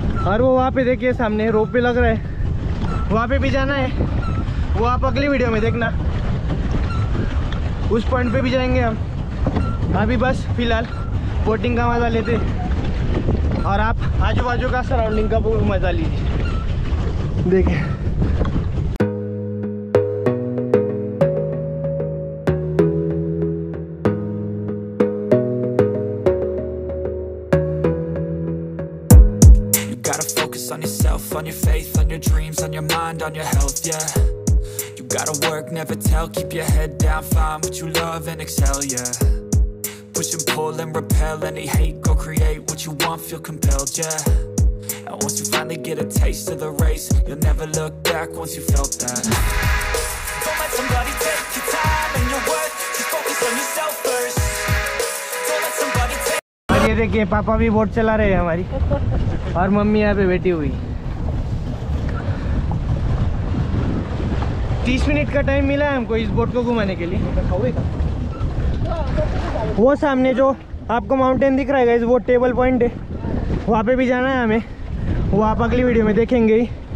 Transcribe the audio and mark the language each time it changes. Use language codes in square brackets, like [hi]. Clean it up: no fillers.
[hi] और वो वहाँ पे देखिए सामने रोप पे लग रहा है, वहाँ पे भी जाना है, वो आप अगली वीडियो में देखना, उस पॉइंट पे भी जाएंगे हम। अभी बस फिलहाल बोटिंग का मजा लेते और आप आजू बाजू का सराउंडिंग का भी मजा लीजिए। [en] देखिए You gotta focus on yourself, on your faith, on your dreams, on your mind, on your health, yeah. You gotta work, never tell, keep your head down, find what you love and excel, yeah. Push and pull and repel any hate, go create what you want, feel compelled, yeah. And once you finally get a taste of the race, you'll never look back once you felt that. Don't let somebody take your time and your worth, just focus on yourself first. Don't let somebody take your time. [hi] अरे देखिए पापा भी boat चला रहे हैं हमारी और mummy यहाँ पे बैठी हुई। 30 मिनट का टाइम मिला है हमको इस बोट को घुमाने के लिए। वो सामने जो आपको माउंटेन दिख रहा है गाइस वो टेबल पॉइंट है, वहाँ पे भी जाना है हमें, वो आप अगली वीडियो में देखेंगे।